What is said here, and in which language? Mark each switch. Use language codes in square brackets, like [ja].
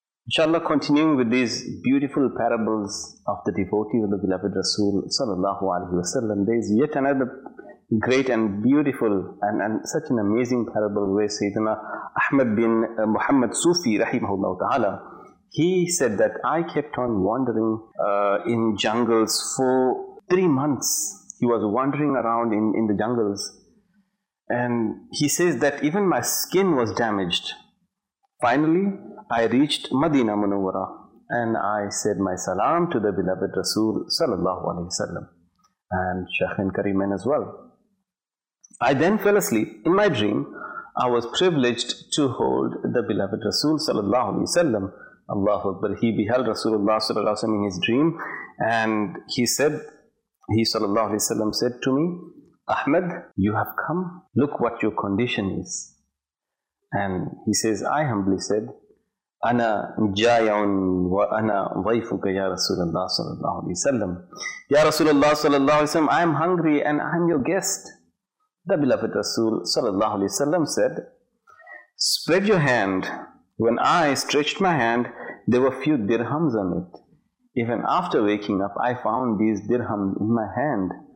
[en] Inshallah, continuing with these beautiful parables of the devotees of the beloved Rasul sallallahu alaihi wasallam, there is yet another great and beautiful and such an amazing parable where Sayyidina Ahmad bin Muhammad Sufi rahimahullah ta'ala, he said that I kept on wandering in jungles for 3 months. He was wandering around in the jungles, and he says that even my skin was damaged. Finally, I reached Madina Munawwara and I said my salam to the beloved Rasul sallallahu alaihi wasallam and Shaykhin Kareemain as well. I then fell asleep. In my dream, I was privileged to hold the beloved Rasul sallallahu alaihi wasallam. Allahu Akbar. He beheld Rasulullah sallallahu alaihi wasallam in his dream, and he sallallahu alaihi wasallam said to me, Ahmed, you have come. Look what your condition is. And he says, I humbly said, [ar] انا جائع وانا ضيفك يا رسول الله صلى الله عليه وسلم. يا رسول الله صلى الله عليه وسلم, [en] I am hungry and I am your guest. The beloved Rasul [ar] صلى الله عليه وسلم [en] said, spread your hand. When I stretched my hand, there were few dirhams on it. Even after waking up, I found these dirhams in my hand.